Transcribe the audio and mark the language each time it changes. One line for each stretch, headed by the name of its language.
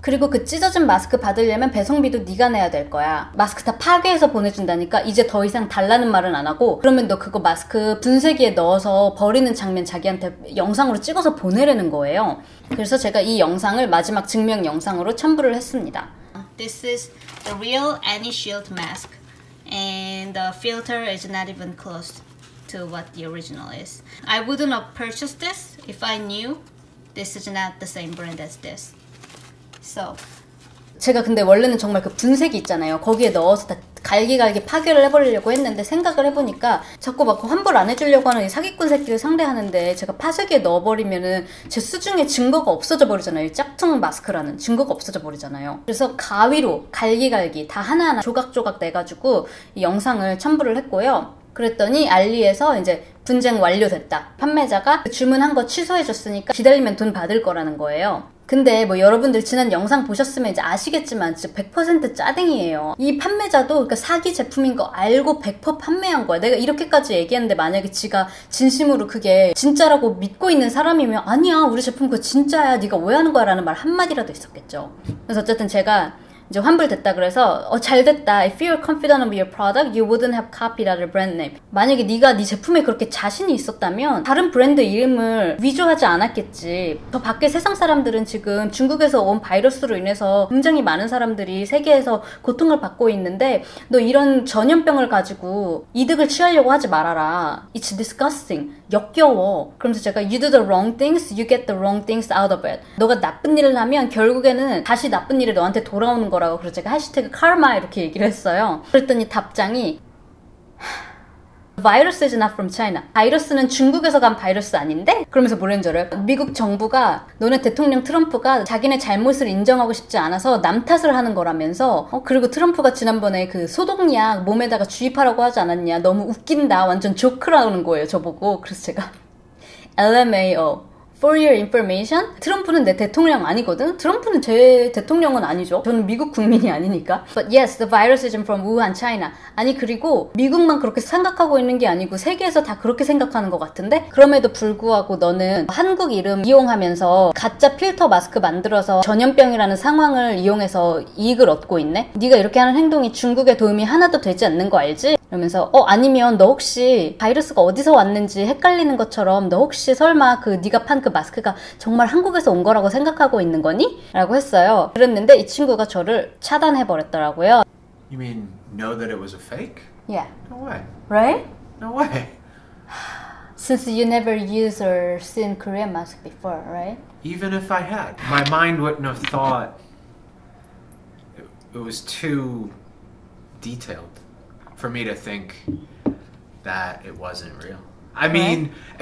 Korean: 그리고 그 찢어진 마스크 받으려면 배송비도 네가 내야 될 거야. 마스크 다 파괴해서 보내준다니까 이제 더 이상 달라는 말은 안 하고 그러면 너 그거 마스크 분쇄기에 넣어서 버리는 장면 자기한테 영상으로 찍어서 보내려는 거예요. 그래서 제가 이 영상을 마지막 증명 영상으로 첨부를 했습니다.
English: This is the real AnyShield mask and the filter is not even close to what the original is. I wouldn't have purchased this if I knew this is not the same brand as this. So
Korean: 제가 근데 원래는 정말 그 분쇄기 있잖아요. 거기에 넣어서 다 갈기갈기 파괴를 해버리려고 했는데 생각을 해보니까 자꾸 막 환불 안 해주려고 하는 이 사기꾼 새끼를 상대하는데 제가 파쇄기에 넣어버리면은 제 수중에 증거가 없어져 버리잖아요. 짝퉁 마스크라는 증거가 없어져 버리잖아요. 그래서 가위로 갈기갈기 다 하나하나 조각조각 내가지고 영상을 첨부를 했고요. 그랬더니 알리에서 이제 분쟁 완료됐다. 판매자가 주문한 거 취소해줬으니까 기다리면 돈 받을 거라는 거예요. 근데 뭐 여러분들 지난 영상 보셨으면 이제 아시겠지만 진짜 100% 짜증이에요. 이 판매자도 그러니까 사기 제품인 거 알고 100% 판매한 거야. 내가 이렇게까지 얘기했는데 만약에 지가 진심으로 그게 진짜라고 믿고 있는 사람이면 아니야 우리 제품 그거 진짜야 네가 오해하는 거야 라는 말 한마디라도 있었겠죠. 그래서 어쨌든 제가 이제 환불됐다 그래서 잘됐다.
English: If you're confident of your product, you wouldn't have copied other brand name.
Korean: 만약에 네가 네 제품에 그렇게 자신이 있었다면 다른 브랜드 이름을 위조하지 않았겠지. 저 밖에 세상 사람들은 지금 중국에서 온 바이러스로 인해서 굉장히 많은 사람들이 세계에서 고통을 받고 있는데 너 이런 전염병을 가지고 이득을 취하려고 하지 말아라.
English: It's disgusting.
Korean: 역겨워. 그러면서 제가
English: You do the wrong things, you get the wrong things out of it.
Korean: 너가 나쁜 일을 하면 결국에는 다시 나쁜 일이 너한테 돌아오는 거라고. 그래서 제가 해시태그 카르마 이렇게 얘기를 했어요. 그랬더니 답장이
English: Virus is not from China.
Korean: 바이러스는 중국에서 간 바이러스 아닌데? 그러면서 뭐라는 줄 알아요? 미국 정부가 너네 대통령 트럼프가 자기네 잘못을 인정하고 싶지 않아서 남 탓을 하는 거라면서 그리고 트럼프가 지난번에 그 소독약 몸에다가 주입하라고 하지 않았냐 너무 웃긴다 완전 조크라는 거예요 저보고. 그래서 제가
English: LMAO For your information,
Korean: 트럼프는 내 대통령 아니거든? 트럼프는 제 대통령은 아니죠. 저는 미국 국민이 아니니까.
English: But yes, the virus is from Wuhan, China.
Korean: 아니, 그리고 미국만 그렇게 생각하고 있는 게 아니고 세계에서 다 그렇게 생각하는 것 같은데? 그럼에도 불구하고 너는 한국 이름 이용하면서 가짜 필터 마스크 만들어서 전염병이라는 상황을 이용해서 이익을 얻고 있네? 네가 이렇게 하는 행동이 중국에 도움이 하나도 되지 않는 거 알지? 이러면서 아니면 너 혹시 바이러스가 어디서 왔는지 헷갈리는 것처럼 너 혹시 설마 그 네가 판 그 마스크가 정말 한국에서 온 거라고 생각하고 있는 거니? 라고 했어요. 그랬는데 이 친구가 저를 차단해 버렸더라고요.
English: You mean know that it was a fake? Yeah. No way. Right? No way. Since you never used or seen Korean mask before, right? Even if I had, my mind wouldn't have thought it was too detailed for me to think that it wasn't real. I mean, right?